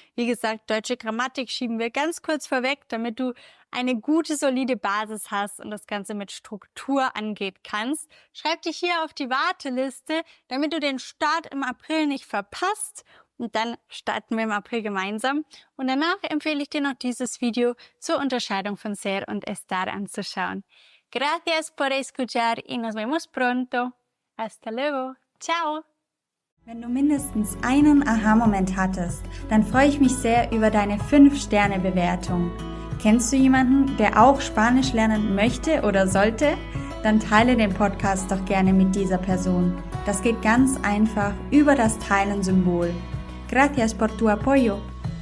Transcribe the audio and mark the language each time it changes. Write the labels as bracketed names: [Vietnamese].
[German] Wie gesagt, deutsche Grammatik schieben wir ganz kurz vorweg, damit du eine gute, solide Basis hast und das Ganze mit Struktur angehen kannst. Schreib dich hier auf die Warteliste, damit du den Start im April nicht verpasst. Und dann starten wir im April gemeinsam. Und danach empfehle ich dir noch dieses Video zur Unterscheidung von ser und estar anzuschauen. [Spanish] Gracias por escuchar y nos vemos pronto. Hasta luego. Ciao. [German] Wenn du mindestens einen Aha-Moment hattest, dann freue ich mich sehr über deine 5-Sterne-Bewertung. Kennst du jemanden, der auch Spanisch lernen möchte oder sollte? Dann teile den Podcast doch gerne mit dieser Person. Das geht ganz einfach über das Teilen-Symbol. [Spanish] Gracias por tu apoyo.